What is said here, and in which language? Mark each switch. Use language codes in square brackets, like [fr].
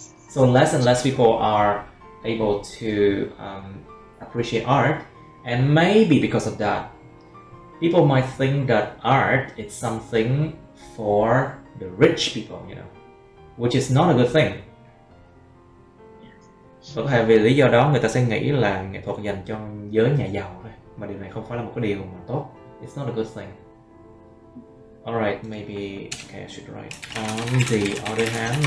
[en] So less and less people are able to appreciate art, and maybe because of that, people might think that art is something for the rich people, you know, which is not a good thing. [vi] Có thể vì lý do đó người ta sẽ nghĩ là nghệ thuật dành cho giới nhà giàu thôi, mà điều này không phải là một cái điều mà tốt. [en] It's not a good thing. All right, maybe okay, I should write on the other hand.